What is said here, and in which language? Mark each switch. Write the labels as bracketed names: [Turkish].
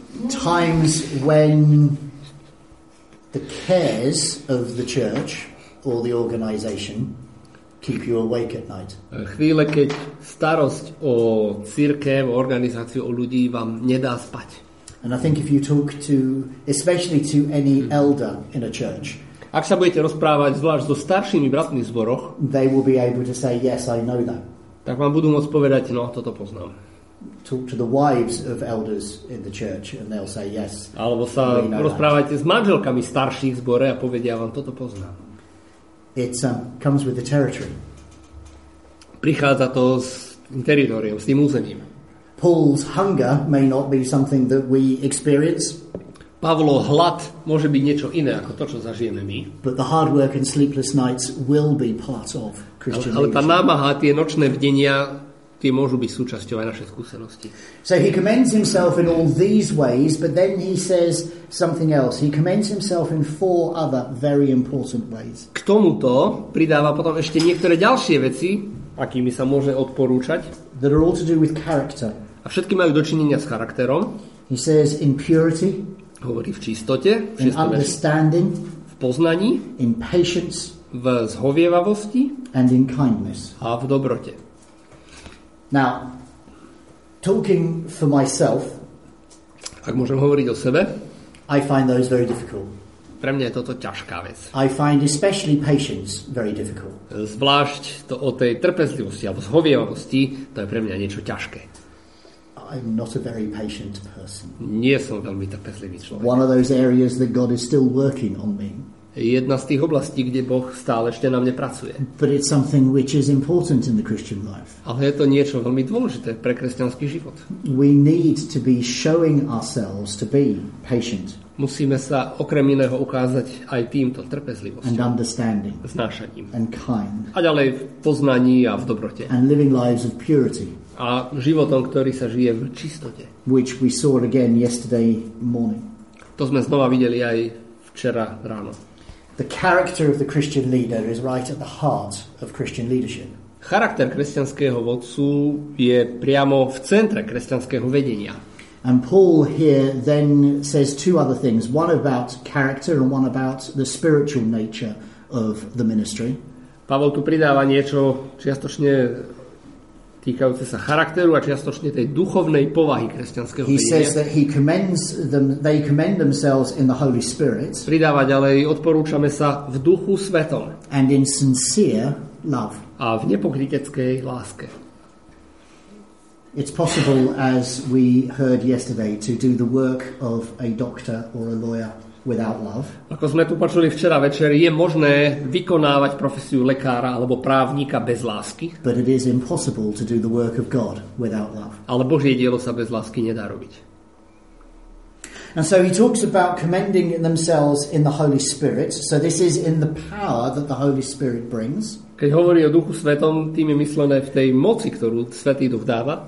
[English] Times when the cares of the church or the organization keep you awake at night. [Slovak] Chvíle, keď starosť o cirkev, o organizáciu, o ľudí vám nedá spať. [English] And I think if you talk to, especially to any elder in a church, [Slovak] ak sa budete rozprávať zvlášť so staršími bratmi v zboroch, [English] they will be able to say, yes, I know that. [Slovak] Tak vám budú môcť povedať, no, toto poznám. [English] Talk to the wives of elders in the church and they'll say yes. [Slovak] Alebo sa rozprávajte s manželkami starších v zbore a povedia vám, toto poznám. [English] It comes with the territory. [Slovak] Prichádza to s teritoriom, s tým územím. [English] Paul's hunger may not be something that we experience. [Slovak] Pavlo, hlad môže byť niečo iné ako to, čo zažijeme my. [English] But the hard work and sleepless nights will be part of Christian ministry. [Slovak] Ale tá námaha, tie nočné bdenia, tie môžu byť súčasťou aj našej skúsenosti. [English] So he commends himself in all these ways, but then he says something else. He commends himself in four other very important ways. [Slovak] K tomuto pridáva potom ešte niektoré ďalšie veci, akými sa môže odporúčať. [English] That are all to do with character. [Slovak] A všetky majú dočinenia s charakterom. [English] He says in purity. [Slovak] Hovorí v čistote, v šiestom verši. [English] Understanding. [Slovak] V poznaní. [English] In patience. [Slovak] V zhovievavosti. [English] And in kindness. [Slovak] A v dobrote. [English] Now, talking for myself, [Slovak] ak môžem hovoriť o sebe, [English] I find those very difficult. [Slovak] Pre mňa je toto ťažká vec. [English] I find especially patience very difficult. [Slovak] Zvlášť to o tej trpezlivosti alebo zhovievavosti, to je pre mňa niečo ťažké. [English] I'm not a very patient person. [Slovak] Nie som veľmi trpezlivý človek. [English] One of those areas that God is still working on me. [Slovak] Jedna z tých oblastí, kde Boh stále ešte na mne pracuje. [English] But it's something which is important in the Christian life. [Slovak] Ale je to niečo veľmi dôležité pre kresťanský život. [English] We need to be showing ourselves to be patient. [Slovak] Musíme sa okrem iného ukázať aj týmto trpezlivosťou. [English] And understanding. [Slovak] Znášaním. [English] And kind. [Slovak] A ďalej v poznaní a v dobrote. [English] And living lives of purity. [Slovak] A životom, ktorý sa žije v čistote. [English] Which we saw again yesterday morning. [Slovak] To sme znova videli aj včera ráno. [English] The character of the Christian leader is right at the heart of Christian leadership. [Slovak] Charakter kresťanského vodcu je priamo v centre kresťanského vedenia. [English] And Paul here then says two other things, one about character and one about the spiritual nature of the ministry. [Slovak] Pavol tu pridáva niečo čiastočne týkajúce sa charakteru a čiastočne tej duchovnej povahy kresťanského vedenia. [English] He says that he commends them, they commend themselves in the Holy Spirit. [Slovak] Pridáva ďalej, odporúčame sa v Duchu Svetom. [English] And in sincere love. [Slovak] A v nepokryteckej láske. [English] It's possible, as we heard yesterday, to do the work of a doctor or a lawyer without love. [Slovak] Ako sme tu počuli včera večer, je možné vykonávať profesiu lekára alebo právnika bez lásky. [English] But it is impossible to do the work of God without love. [Slovak] Ale Božie dielo sa bez lásky nedá robiť. [English] And so he talks about commending themselves in the Holy Spirit. So this is in the power that the Holy Spirit brings. [Slovak] Keď hovorí o Duchu Svetom, tým je myslené v tej moci, ktorú Svätý Duch dáva.